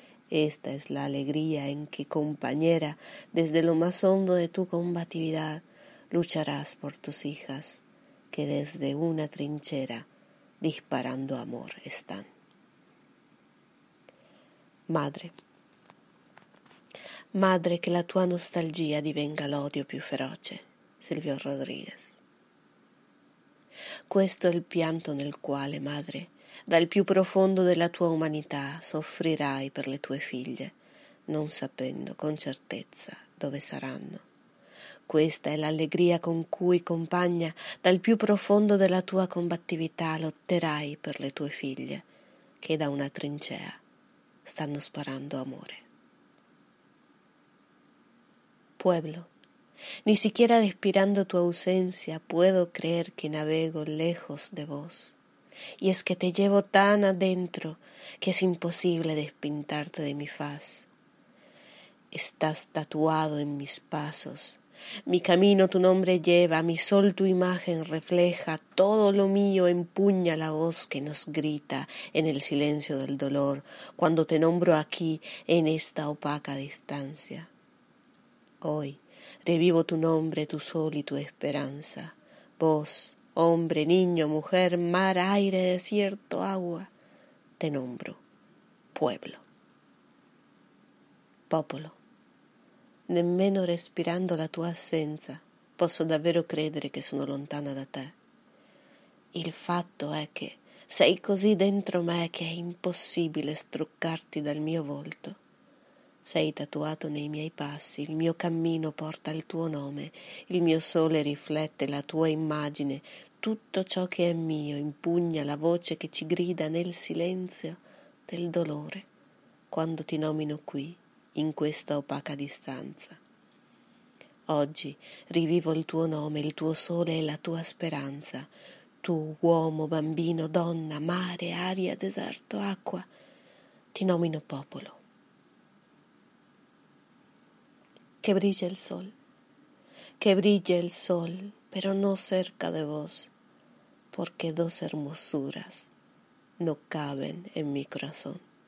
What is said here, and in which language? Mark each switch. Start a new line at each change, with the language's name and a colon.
Spanish: Esta es la alegría en que, compañera, desde lo más hondo de tu combatividad, lucharás por tus hijas, que desde una trinchera, disparando amor, están. Madre.
Italian: Madre, che la tua nostalgia divenga l'odio più feroce. Silvio Rodriguez. Questo è il pianto nel quale, madre, dal più profondo della tua umanità, soffrirai per le tue figlie, non sapendo con certezza dove saranno. Questa è l'allegria con cui, compagna, dal più profondo della tua combattività, lotterai per le tue figlie, che da una trincea stanno sparando amore.
Spanish: Pueblo, ni siquiera respirando tu ausencia puedo creer que navego lejos de vos. Y es que te llevo tan adentro que es imposible despintarte de mi faz. Estás tatuado en mis pasos. Mi camino tu nombre lleva, mi sol tu imagen refleja, todo lo mío empuña la voz que nos grita en el silencio del dolor cuando te nombro aquí en esta opaca distancia. Hoy revivo tu nombre, tu sol y tu esperanza. Vos, hombre, niño, mujer, mar, aire, desierto, agua, te nombro pueblo.
Italian: Popolo, nemmeno respirando la tua assenza posso davvero credere che sono lontana da te. Il fatto è che sei così dentro me che è impossibile struccarti dal mio volto. Sei tatuato nei miei passi, il mio cammino porta il tuo nome, il mio sole riflette la tua immagine, tutto ciò che è mio impugna la voce che ci grida nel silenzio del dolore quando ti nomino qui, in questa opaca distanza. Oggi rivivo il tuo nome, il tuo sole e la tua speranza. Tu, uomo, bambino, donna, mare, aria, deserto, acqua, ti nomino popolo.
Spanish: Que brille el sol, que brille el sol, pero no cerca de vos, porque dos hermosuras no caben en mi corazón.